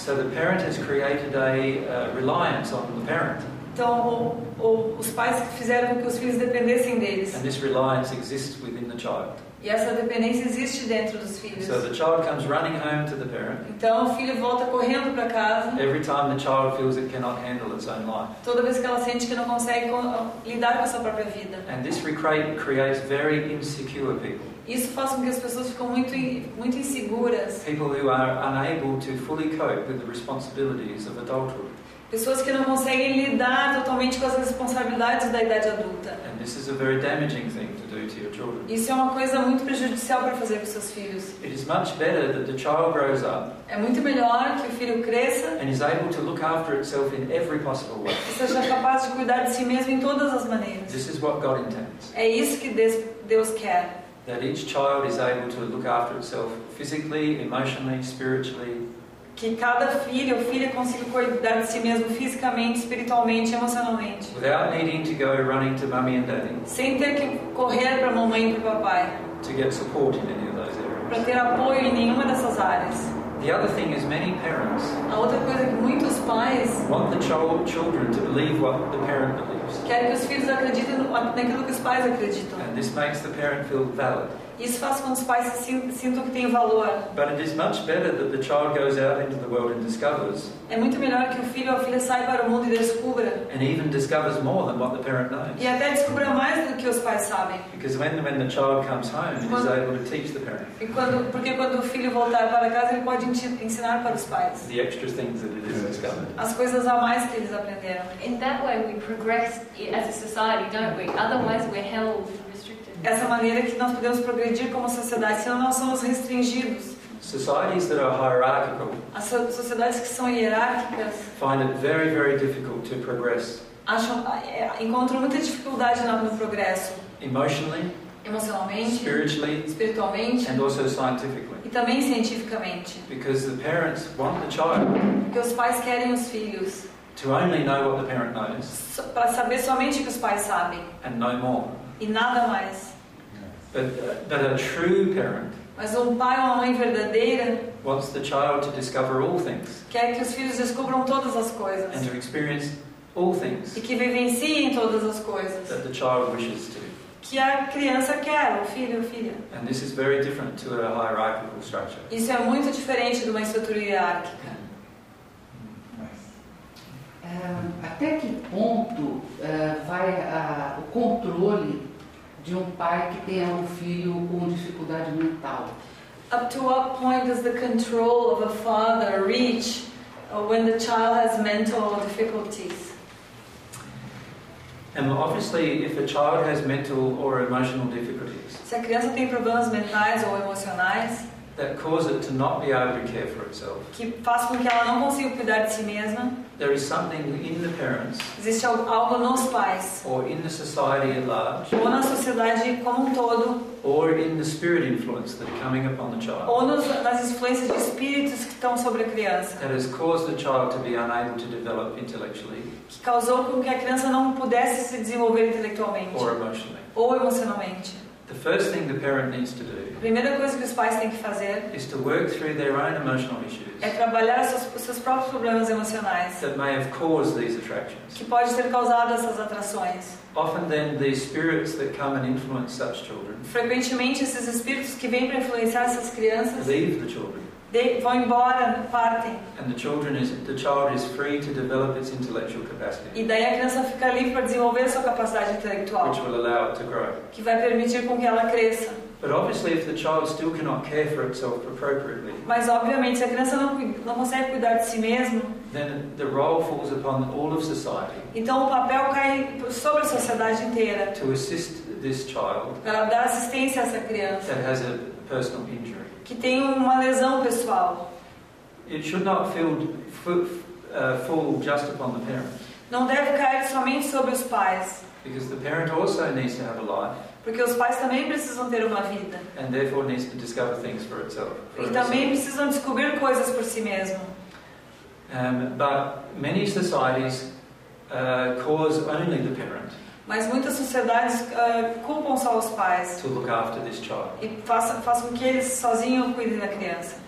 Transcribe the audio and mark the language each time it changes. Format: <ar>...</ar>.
<en>So the parent has created a reliance on the parent.</en> <pt>Então, os pais fizeram com que os filhos dependessem deles.</pt> <en>And this reliance exists within the child.</en> <pt>E essa dependência existe dentro dos filhos.</pt> <en>So the child comes running home to the parent.</en> <pt>Então o filho volta correndo para casa.</pt> <en>Every time the child feels it cannot handle its own life.</en> <pt>Toda vez que ela sente que não consegue lidar com a sua própria vida.</pt> <en>And this creates very insecure people.</en> <pt>Isso faz com que as pessoas ficam muito, muito inseguras.</pt> <en>People who are unable to fully cope with the responsibilities of adulthood.</en> <pt>Pessoas que não conseguem lidar totalmente com as responsabilidades da idade adulta.</pt> <en>And this is a very damaging thing to do to your children.</en> <pt>Isso é uma coisa muito prejudicial para fazer com seus filhos.</pt> <en>It is much better that the child grows up.</en> <pt>É muito melhor que o filho cresça.</pt> <en>And is able to look after itself in every possible way.</en> <pt>E seja capaz de cuidar de si mesmo em todas as maneiras.</pt> <en>This is what God intends.</en> <pt>É isso que Deus quer.</pt> <en>That each child is able to look after itself physically, emotionally, spiritually.</en> <pt>Que cada filho ou filha consiga cuidar de si mesmo fisicamente, espiritualmente, emocionalmente.</pt> <en>Without needing to go running to mommy and daddy.</en> <pt>Sem ter que correr para mamãe e para papai.</pt> <en>To get support in any of those areas.</en> <pt>Para ter apoio em nenhuma dessas áreas.</pt> <en>The other thing is many parents.</en> <pt>A outra coisa é que muitos pais.</pt> <en>Want the children to believe what the parent believes.</en> <pt>Querem que os filhos acreditem naquilo que os pais acreditam.</pt> <en>And this makes the parent feel valid.</en> <pt>Isso faz com que os pais sintam que têm valor.</pt> <en>But it is much better that the child goes out into the world and discovers.</en> <pt>É muito melhor que o filho ou a filha saia para o mundo e descubra.</pt> <en>And even discovers more than what the parent knows.</en> <pt>E até descubra mais do que os pais sabem.</pt> <en>Because when the child comes home, he is able to teach the parent.</en> <pt>Porque quando o filho voltar para casa, ele pode ensinar para os pais.</pt> <en>The extra things that it has discovered.</en> <pt>As coisas a mais que eles aprenderam.</pt> <en>In that way, we progress as a society, don't we? Otherwise, we're held.</en> <pt>essa maneira que nós podemos progredir como sociedade, senão nós somos restringidos.</pt> <en>Societies that are hierarchical.</en> <pt>As sociedades que são hierárquicas.</pt> <en>Find it very, very difficult to progress.</en> <pt>Encontram muita dificuldade no progresso.</pt> <en>Emotionally.</en> <pt>Emocionalmente.</pt> <en>Spiritually.</en> <pt>Espiritualmente.</pt> <en>And also scientifically.</en> <pt>E também cientificamente.</pt> <en>Because the parents want the child.</en> <pt>Porque os pais querem os filhos.</pt> <en>To only know what the parent knows.</en> <pt>Para saber somente o que os pais sabem.</pt> <en>And no more.</en> <pt>E nada mais.</pt> <en>But a true parent.</en> <pt>Mas pai ou mãe verdadeira.</pt> <en>Wants the child to discover all things.</en> <pt>Quer que os filhos descubram todas as coisas.</pt> <en>And to experience all things.</en> <pt>E que vivenciem todas as coisas.</pt> <en>That the child wishes to.</en> <pt>Que a criança quer, o filho ou filha.</pt> <en>And this is very different to a hierarchical structure.</en> <pt>Isso é muito diferente de uma estrutura hierárquica. Até que ponto vai o controle de pai que tenha filho com dificuldade mental?</pt> <en>Up to what point does the control of a father reach when the child has mental difficulties? And obviously, if a child has mental or emotional difficulties,</en> <pt>se a criança tem problemas mentais ou emocionais,</pt> <en>that cause it to not be able to care for itself.</en> <pt>Que faz com que ela não consiga cuidar de si mesma.</pt> <en>There is something in the parents.</en> <pt>Existe algo nos pais.</pt> <en>Or in the society at large.</en> <pt>Ou na sociedade como todo.</pt> <en>Or in the spirit influence that are coming upon the child.</en> <pt>Ou nas influências de espíritos que estão sobre a criança.</pt> <en>That has caused the child to be unable to develop intellectually.</en> <pt>Que causou com que a criança não pudesse se desenvolver intelectualmente.</pt> <en>Or emotionally.</en> <pt>Ou emocionalmente.</pt> <en>The first thing the parent needs to do.</en> <pt>A primeira coisa que os pais têm que fazer</pt> <en>is to work through their own emotional issues.</en> <pt>É trabalhar seus próprios problemas emocionais.</pt> <en>That may have caused these attractions.</en> <pt>Que pode ter causado essas atrações.</pt> <en>Often then the spirits that come and influence such children.</en> <pt>Frequentemente esses espíritos que vêm para influenciar essas crianças.</pt> <en>Leave the children. They</en> <pt>vão embora, partem.</pt> <en>And the child is free to develop its intellectual capacity.</en> <pt>E daí a criança fica livre para desenvolver sua capacidade intelectual.</pt> <en>Which will allow it to grow.</en> <pt>Que vai permitir com que ela cresça.</pt> <en>But obviously, if the child still cannot care for itself appropriately.</en> <pt>Mas obviamente, se a criança não consegue cuidar de si mesmo.</pt> <en>Then the role falls upon all of society.</en> <pt>Então o papel cai sobre a sociedade inteira.</pt> <en>To assist this child.</en> <pt>Para dar assistência a essa criança.</pt> <en>That has a personal injury.</en> <pt>Que tem uma lesão pessoal.</pt> <en>It should not fall just upon the parent.</en> <pt>Não deve cair somente sobre os pais.</pt> <en>Because the parent also needs to have a life.</en> <pt>Porque os pais também precisam ter uma vida.</pt> <en>And therefore needs to discover things for itself.</en> <pt>E também precisam descobrir coisas por si mesmo.</pt> <en>But many societies cause only the parent.</en> <pt>Mas muitas sociedades culpam só os pais.</pt> <en>To look after this child.</en> <pt>E faz com que eles sozinhos cuidem da criança.</pt>